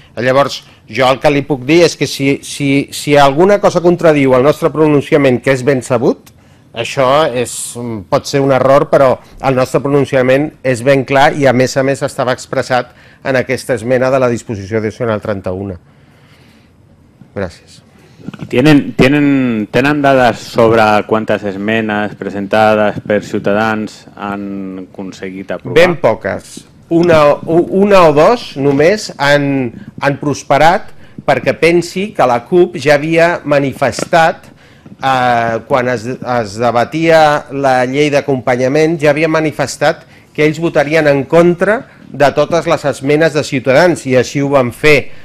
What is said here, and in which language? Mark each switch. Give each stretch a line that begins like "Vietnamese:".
Catalan: Llavors, jo el que li puc dir és que si alguna cosa contradiu el nostre pronunciament, que és ben sabut, això pot ser un error, però el nostre pronunciament és ben clar, i a més estava expressat en aquesta esmena de la disposició addicional 31. Gràcies.
Spanish: ¿Tienen dades sobre cuántas esmenas presentadas por Ciutadans han conseguido aprobar?
Catalan: Ben poques. Una o dos només han prosperat, perquè pensi que la CUP ja havia manifestat, quan es debatia la llei d'acompanyament, ja havia manifestat que ells votarien en contra de totes les esmenes de Ciutadans, i així ho van fer.